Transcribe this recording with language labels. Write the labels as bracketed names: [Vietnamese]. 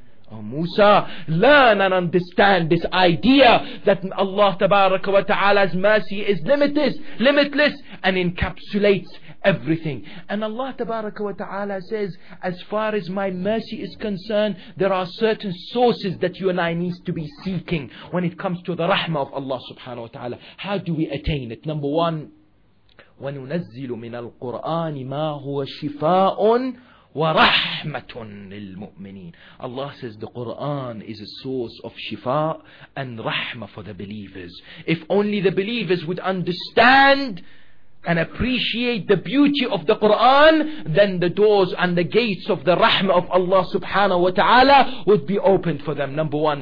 [English] Oh Musa, learn and understand this idea that Allah tabaraka wa ta'ala's mercy is limitless and encapsulates everything. And Allah tabaraka wa ta'ala says, as far as my mercy is concerned, there are certain sources that you and I need to be seeking when it comes to the rahmah of Allah subhanahu wa ta'ala. How do we attain it? Number one, [Arabic] وَنُنَزِّلُ مِنَ الْقُرْآنِ مَا هُوَ شِفَاءٌ وَرَحْمَةٌ لِلْمُؤْمِنِينَ. [English] Allah says the Quran is a source of shifa and rahmah for the believers. If only the believers would understand and appreciate the beauty of the Quran, then the doors and the gates of the rahmah of Allah subhanahu wa ta'ala would be opened for them. Number one.